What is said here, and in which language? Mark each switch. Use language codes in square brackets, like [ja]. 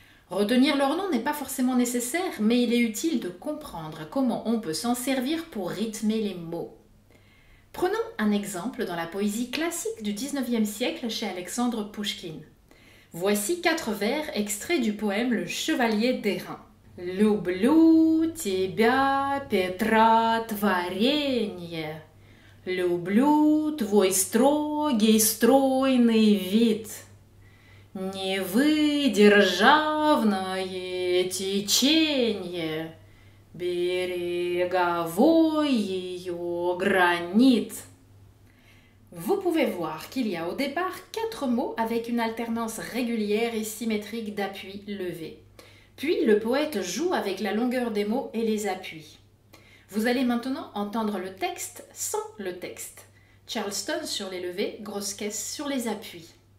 [fr] Retenir leur nom n'est pas forcément nécessaire, mais il est utile de comprendre comment on peut s'en servir pour rythmer les mots. Prenons un exemple dans la poésie classique du 19e siècle chez Alexandre Pouchkine. Voici quatre vers extraits du poème Le Chevalier d'Airain. [ru] Люблю тебя, Петра, творенье. Люблю твой строгий, стройный вид. Не выдержавное течение береговой ее гранит. [fr] Vous pouvez voir qu'il y a au départ quatre mots avec une alternance régulière et symétrique d'appuis levés. Puis le poète joue avec la longueur des mots et les appuis. Vous allez maintenant entendre le texte sans le texte. Charleston sur les levées, grosse caisse sur les appuis.